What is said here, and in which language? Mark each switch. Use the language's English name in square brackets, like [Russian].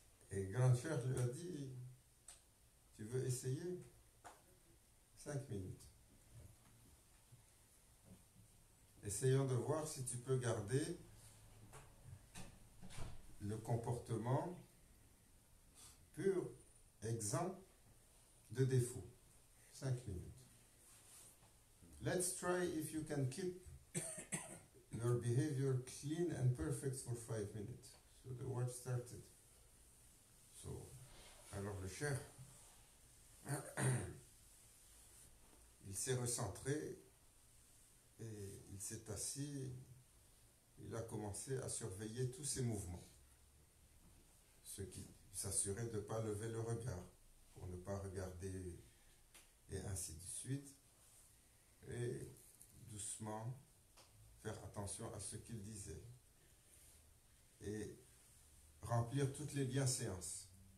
[French] Et grand cher lui a dit, tu veux essayer 5 minutes. Essayons de voir si tu peux garder le comportement pur, exempt de défaut. 5 minutes. [English] Let's try if you can keep your behavior clean and perfect for 5 minutes. So the work started. [French] Alors le cheikh, il s'est recentré et il s'est assis, il a commencé à surveiller tous ses mouvements, ce qui s'assurait de ne pas lever le regard, pour ne pas regarder et ainsi de suite, et doucement faire attention à ce qu'il disait et remplir toutes les bienséances.